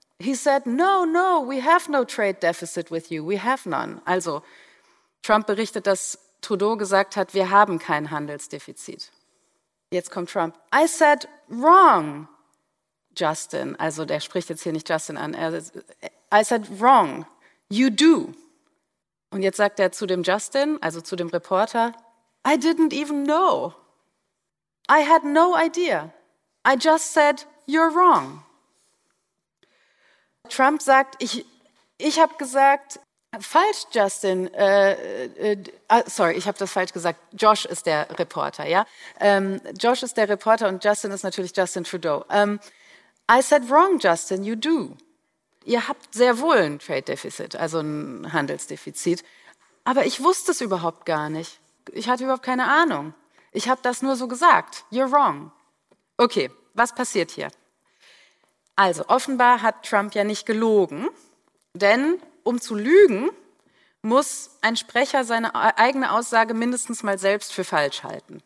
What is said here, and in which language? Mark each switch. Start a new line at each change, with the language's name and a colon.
English: He said, no, no, we have no trade deficit with you. We have none.
German: Also, Trump berichtet, dass Trudeau gesagt hat, wir haben kein Handelsdefizit. Jetzt kommt Trump.
English: I said, wrong, Justin.
German: Also, der spricht jetzt hier nicht Justin an.
English: I said, wrong, you do.
German: Und jetzt sagt er zu dem Justin, also zu dem Reporter,
English: I didn't even know. I had no idea. I just said, you're wrong.
German: Trump sagt, ich habe gesagt, falsch, Justin. Ich habe das falsch gesagt. Josh ist der Reporter, ja? Josh ist der Reporter und Justin ist natürlich Justin Trudeau.
English: I said wrong, Justin, you do.
German: Ihr habt sehr wohl ein Trade Deficit, also ein Handelsdefizit. Aber ich wusste es überhaupt gar nicht. Ich hatte überhaupt keine Ahnung. Ich habe das nur so gesagt.
English: You're wrong.
German: Okay, was passiert hier? Also, offenbar hat Trump ja nicht gelogen, denn um zu lügen, muss ein Sprecher seine eigene Aussage mindestens mal selbst für falsch halten.